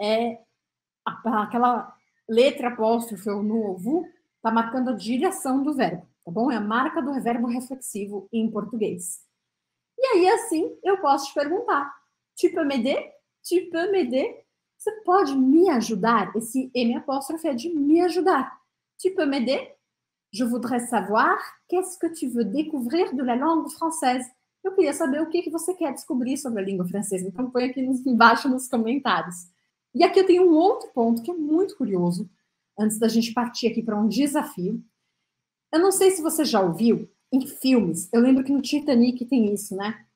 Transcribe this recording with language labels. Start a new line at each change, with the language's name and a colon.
Portuguese: É aquela letra apóstrofe ou novo, tá marcando a direção do verbo, tá bom? É a marca do verbo reflexivo em português. E aí, assim, eu posso te perguntar:
French: tu peux m'aider? Tu peux m'aider?
Portuguese: Você pode me ajudar? Esse M apóstrofe é de me ajudar.
French: Tu peux m'aider? Je voudrais savoir qu'est-ce que tu veux découvrir de la langue française.
Portuguese: Eu queria saber o que que você quer descobrir sobre a língua francesa. Então, põe aqui embaixo nos comentários. E aqui eu tenho um outro ponto que é muito curioso, antes da gente partir aqui para um desafio. Eu não sei se você já ouviu em filmes. Eu lembro que no Titanic tem isso, né?